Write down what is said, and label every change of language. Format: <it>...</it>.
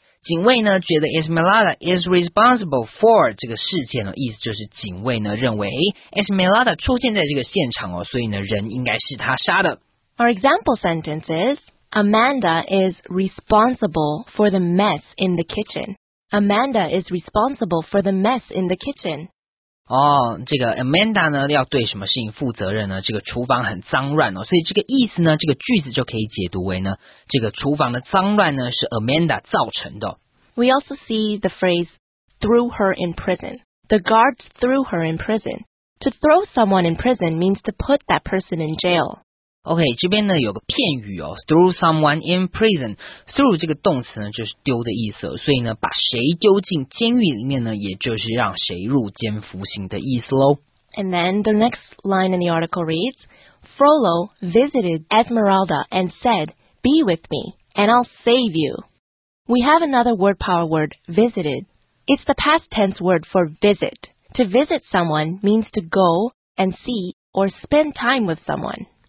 <zh>警卫呢觉得</zh> <en>Esmeralda is responsible for</en> <zh>这个事件的意思就是警卫呢认为 Esmeralda 出现在这个现场哦，所以呢人应该是他杀的。</zh> <en>Our example sentence is Amanda is responsible for the mess in the kitchen. Amanda is responsible for the mess in the kitchen.</en> <zh>哦，这个 Amanda 呢要对什么事情负责任呢？这个厨房很脏乱哦，所以这个意思呢，这个句子就可以解读为呢，这个厨房的脏乱呢是 Amanda 造成的。</zh> <en>We also see the phrase threw her in prison. The guards threw her in prison. To throw someone in prison means to put that person in jail.</en> <zh>OK， 这边呢有个片语哦 ，</zh> <en>threw someone in prison.</en> <zh>Threw 这个动词呢就是丢的意思，所以呢把谁丢进监狱里面呢，也就是让谁入监服刑的意思喽。</zh> <en>And then the next line in the article reads, Frollo visited Esmeralda and said, "Be with me, and I'll save you." We have another word power word, visited. It's the past tense word for visit. To visit someone means to go and see or spend time with someone.</en>